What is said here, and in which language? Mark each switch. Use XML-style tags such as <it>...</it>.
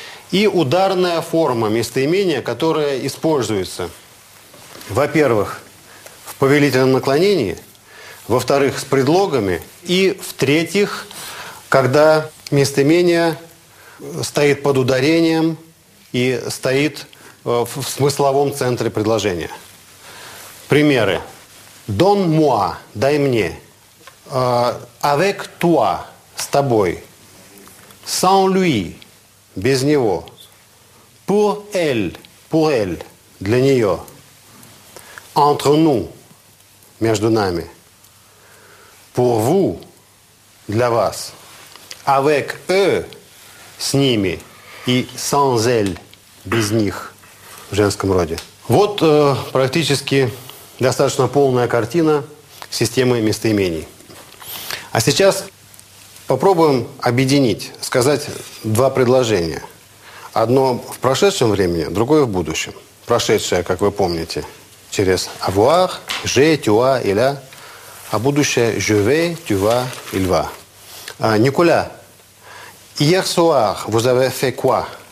<ru>И ударная форма местоимения, которая используется, во-первых, в повелительном наклонении, во-вторых, с предлогами, и, в-третьих, когда местоимение стоит под ударением и стоит в смысловом центре предложения. Примеры.</ru> <fr>«Don moi»</fr> <ru>– «дай мне».</ru> <fr>«Avec toi»</fr> <ru>– «с тобой».</ru> <fr>«Sans lui»</fr> <ru>– «без него».</ru> <fr>Pour elle, pour elle,</fr> <ru>для нее.</ru> <fr>Entre nous,</fr> <ru>между нами.</ru> <fr>Pour vous,</fr> <ru>для вас.</ru> <fr>Avec eux,</fr> <ru>с ними. И</ru> <fr>sans elle,</fr> <ru>без них, в женском роде. Вот практически достаточно полная картина системы местоимений. А сейчас попробуем объединить, сказать два предложения. Одно в прошедшем времени, другое в будущем. Прошедшее, как вы помните, через avoir, j'ai, tu as, il a, а будущее je vais, tu vas, il va.</ru> <fr>Николя, hier soir vous avez fait quoi?</fr>